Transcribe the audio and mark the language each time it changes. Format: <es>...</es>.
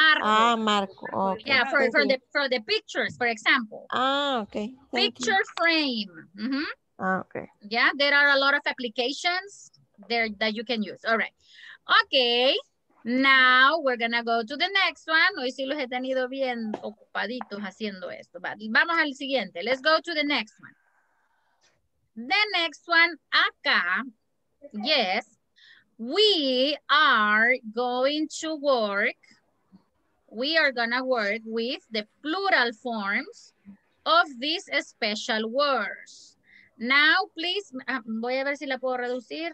<es>Ah, marco. Okay.</es> <en>Yeah, for the pictures, for example. Ah, okay. Thank picture you. Frame. Mm-hmm. Ah, okay. Yeah, there are a lot of applications there that you can use. All right. Okay. Now we're gonna go to the next one.</en> <es>Hoy sí los he tenido bien ocupaditos haciendo esto. Vamos al siguiente.</es> <en>Let's go to the next one. The next one, acá, yes, we are going to work, we are going to work with the plural forms of these special words. Now, please,</en> <es>voy a ver si la puedo reducir.</es>